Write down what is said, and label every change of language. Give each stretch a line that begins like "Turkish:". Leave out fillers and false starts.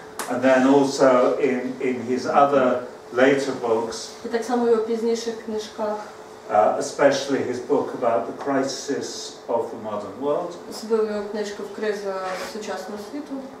English: And then also in his other later books.
Ukrainian: І так само його пізніших книжках.
English: Especially his book about the crisis of the modern world.
Ukrainian: Особливо його книжка в кризі сучасного світу.